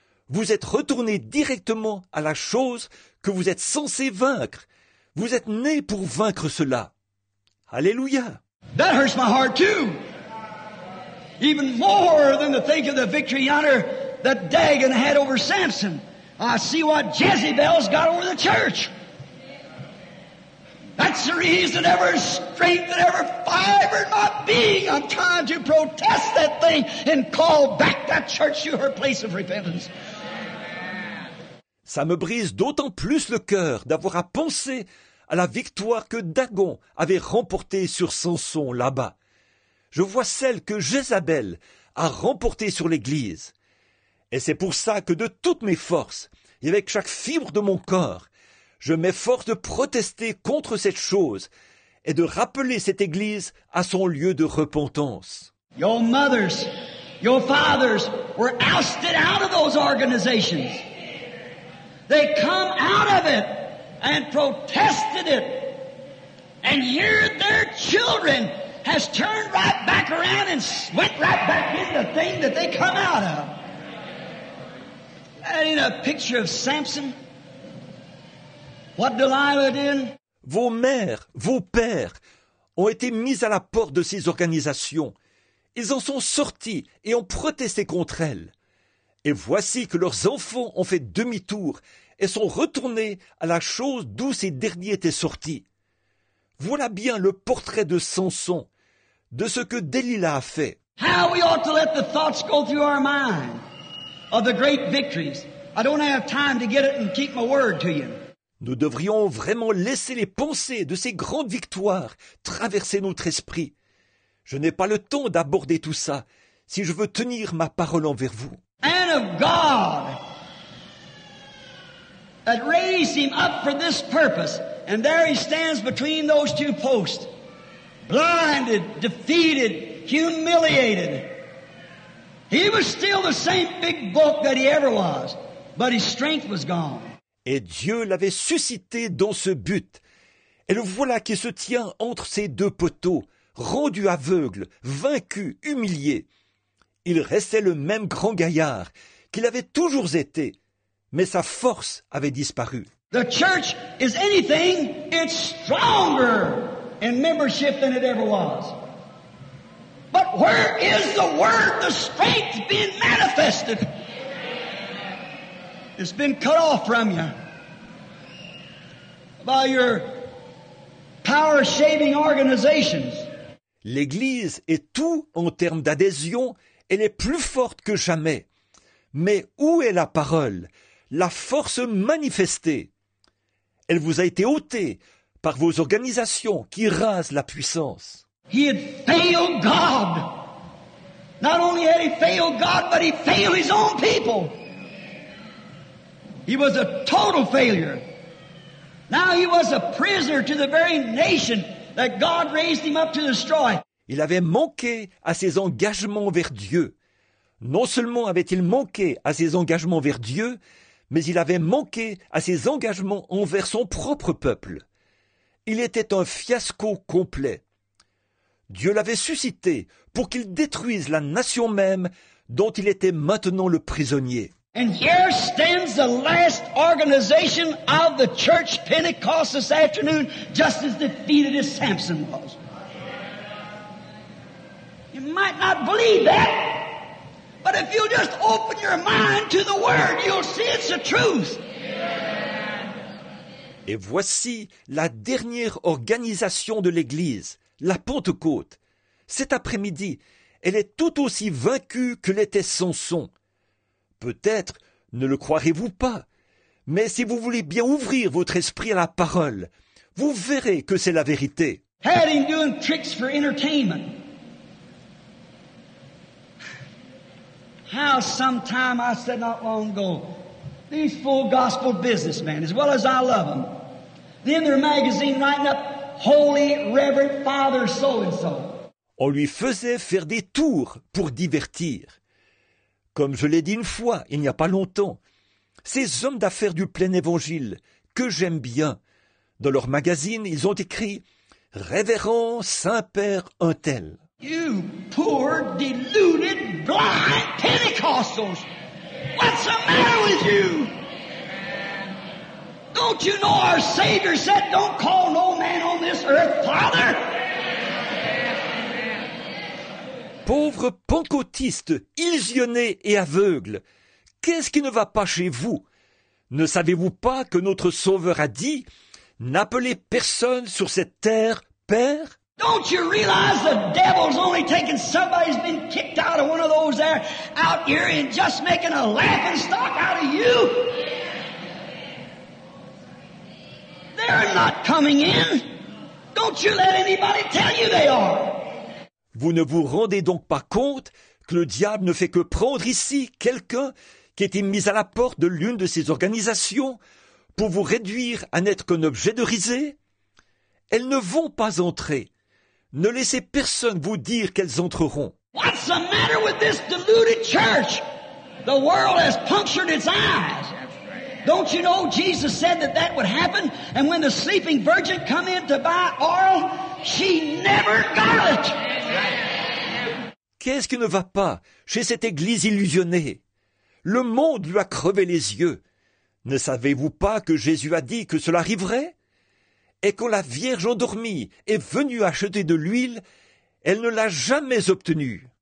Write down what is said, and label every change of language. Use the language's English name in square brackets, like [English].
[French] Vous êtes retourné directement à la chose que vous êtes censé vaincre. Vous êtes né pour vaincre cela. Alléluia. [English] That hurts my heart too. Even more than to think of the victory honor that Dagon had over Samson. I see what Jezebel's got over the church. That's the reason every strength and every fiber in my being, I'm trying to protest that thing and call back that church to her place of repentance. [French] Ça me brise d'autant plus le cœur d'avoir à penser à la victoire que Dagon avait remportée sur Samson là-bas. Je vois celle que Jézabel a remportée sur l'Église. Et c'est pour ça que de toutes mes forces, et avec chaque fibre de mon corps, je m'efforce de protester contre cette chose et de rappeler cette Église à son lieu de repentance. [English] Your mothers, your fathers were ousted out of those organizations. They come out of it and protested it. And here their children has turned right back around and went right back in the thing that they come out of. That ain't a picture of Samson. What Delilah did. [French] Vos mères, vos pères ont été mis à la porte de ces organisations. Ils en sont sortis et ont protesté contre elles. Et voici que leurs enfants ont fait demi-tour et sont retournés à la chose d'où ces derniers étaient sortis. Voilà bien le portrait de Samson, de ce que Delila a fait. [English] How we ought to let the thoughts go through our mind of the great victories. I don't have time to get it and keep my word to you. [French] Nous devrions vraiment laisser les pensées de ces grandes victoires traverser notre esprit. Je n'ai pas le temps d'aborder tout ça si je veux tenir ma parole envers vous. [English] And of God that raised him up for this purpose, and there he stands between those two posts, blinded, defeated, humiliated. He was still the same big bulk that he ever was, but his strength was gone. [French] Et Dieu l'avait suscité dans ce but. Et le voilà qui se tient entre ces deux poteaux, rendu aveugle, vaincu, humilié. Il restait le même grand gaillard qu'il avait toujours été, mais sa force avait disparu. [English] The church is anything, it's stronger in membership than it ever was. But where is the word, the strength being manifested? It's been cut off from you by your power-shaving organizations. [French] L'Église est tout en termes d'adhésion, elle est plus forte que jamais. Mais où est la parole, la force manifestée? Elle vous a été ôtée par vos organisations qui rasent la puissance. [English] He had failed God. Not only had he failed God, but he failed his own people. He was a total failure. Now he was a prisoner to the very nation that God raised him up to destroy. [French] Il avait manqué à ses engagements vers Dieu. Non seulement avait-il manqué à ses engagements vers Dieu, mais il avait manqué à ses engagements envers son propre peuple. Il était un fiasco complet. Dieu l'avait suscité pour qu'il détruise la nation même dont il était maintenant le prisonnier. [English] And here stands the last organization of the church Pentecost this afternoon, just as defeated as Samson was. You might not believe that, but if you'll just open your mind to the word, you'll see it's the truth. [French] Et voici la dernière organisation de l'Église, la Pentecôte. Cet après-midi, elle est tout aussi vaincue que l'était Samson. Peut-être ne le croirez-vous pas, mais si vous voulez bien ouvrir votre esprit à la parole, vous verrez que c'est la vérité. [English] Had him doing tricks for entertainment. How sometime I said not long ago, these full gospel businessmen, as well as I love them, then their magazine writing up holy reverend father so and so. [French] On lui faisait faire des tours pour divertir. Comme je l'ai dit une fois, il n'y a pas longtemps, ces hommes d'affaires du plein évangile, que j'aime bien, dans leur magazine, ils ont écrit « Révérend Saint-Père un tel. [English] You poor, deluded, blind Pentecostals! What's the matter with you? Don't you know our Savior said, don't call no man on this earth Father? [French] Pauvre pentecôtiste, illusionné et aveugle, qu'est-ce qui ne va pas chez vous? Ne savez-vous pas que notre Sauveur a dit, n'appelez personne sur cette terre Père? [English] Don't you realize the devil's only taking somebody's been kicked out of one of those there out here and just making a laughing stock out of you? They're not coming in. Don't you let anybody tell you they are. [French] Vous ne vous rendez donc pas compte que le diable ne fait que prendre ici quelqu'un qui était mis à la porte de l'une de ces organisations pour vous réduire à n'être qu'un objet de risée? Elles ne vont pas entrer. Ne laissez personne vous dire qu'elles entreront. [English] What's the matter with this deluded church? The world has punctured its eyes. Don't you know Jesus said that that would happen? And when the sleeping virgin come in to buy oil, she never got it. [French] Qu'est-ce qui ne va pas chez cette église illusionnée? Le monde lui a crevé les yeux. Ne savez-vous pas que Jésus a dit que cela arriverait? Et quand la Vierge endormie est venue acheter de l'huile, elle ne l'a jamais obtenue.